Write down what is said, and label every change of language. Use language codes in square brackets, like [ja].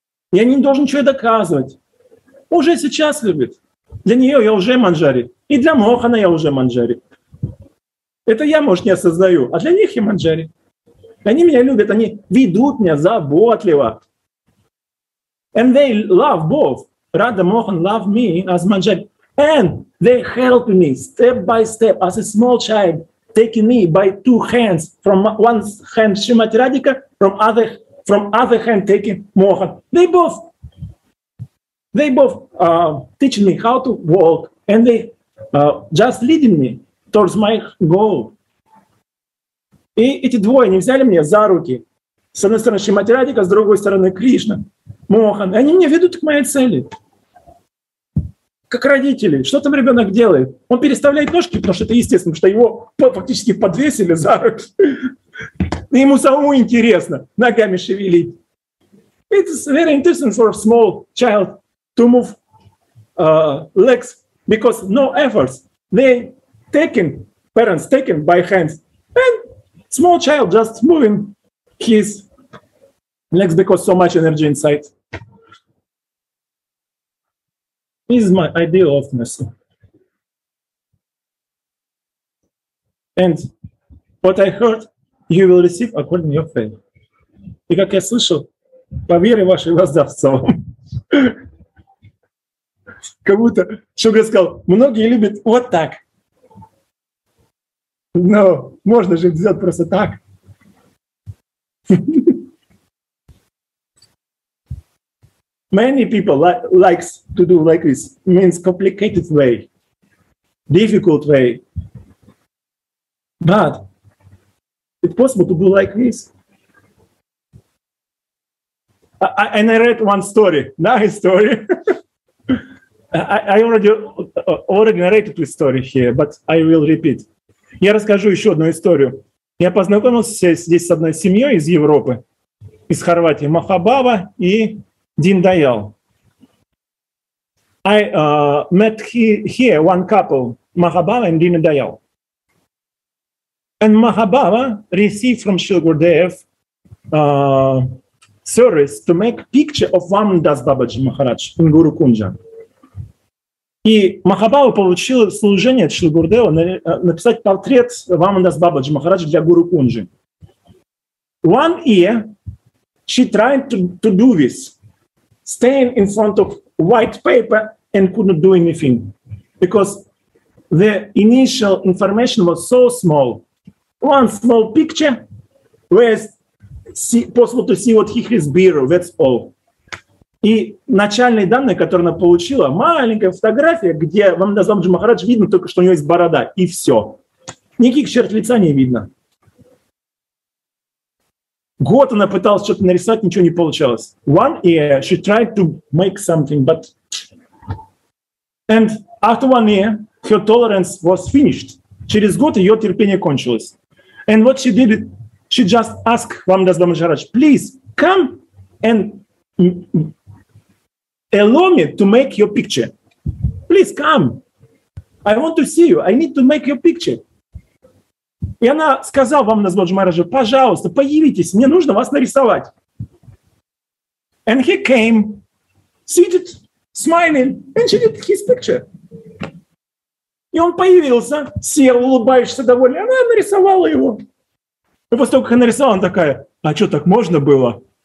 [ru] Я не должен ничего доказывать. Уже сейчас любит. Для нее я уже манджари. И для Мохана я уже манджари. Это я, может, не осознаю, а для них я манджари. Они меня любят, они ведут меня заботливо. [en] And they love both. Radha Mohan love me as manjari. And they help me step by step as a small child, taking me by two hands. From one hand Shrimati Radhika, from other hand taking Mohan. They both teach me how to walk, and they just leading me towards my goal. [ru] И эти двое не взяли меня за руки. С одной стороны Шримати Радика, с другой стороны Кришна, Мохан. Они меня ведут к моей цели. Как родители. Что там ребенок делает? Он переставляет ножки, потому что это естественно, потому что его фактически подвесили за руки. Ему самому интересно ногами шевелить. [en] It's very interesting for a small child to move legs, because no efforts. They taken, parents taken by hands, and small child just moving his legs because so much energy inside. This is my idea of mercy. And what I heard, you will receive according to your faith. [ru] И как я слышал, по вере вашей воздастся вам. Как будто Шугра сказал, многие любят вот так. Но можно же сделать просто так. [en] Many people likes to do like this. Means complicated way. Difficult way. But it's possible to do like this. And I read one story. Nice story. I already narrated this story here, but I will repeat. [ru] Я расскажу еще одну историю. Я познакомился здесь с одной семьей из Европы, из Хорватии, Махабава и Дин Даял. [en] I met here one couple, Махабава and Дин Даял. And Махабава received from Шилгурдев service to make picture of Вамандас Бабаджи Махарадж in Guru Kunja. [ru] И Махабава получил служение от Шри Гурудева написать портрет Вамандас Бабаджи Махараджа для Гуру Кунджи. [en] One year she tried to do this, staying in front of white paper and couldn't do anything, because the initial information was so small. One small picture where it's possible to see what he has beer, that's all. [ru] И начальные данные, которые она получила, маленькая фотография, где Вамандас Бабаджи Махарадж видно только, что у нее есть борода, и все. Никаких черт лица не видно. Год она пыталась что-то нарисовать, ничего не получалось. [en] One year she tried to make something, but... And after one year her tolerance was finished. [ru] Через год ее терпение кончилось. [en] And what she did, she just asked Вамандас Бабаджи Махарадж, please come and... Allow me to make your picture. Please come. I want to see you. I need to make your picture. [ru] И она сказала Вамандас Бабаджи Махараджу, пожалуйста, появитесь, мне нужно вас нарисовать. [en] And he came, seated, smiling, and she did his picture. [ru] И он появился, сел, улыбающийся, довольный, она нарисовала его. И после того, как она нарисовала, она такая, а что, так можно было?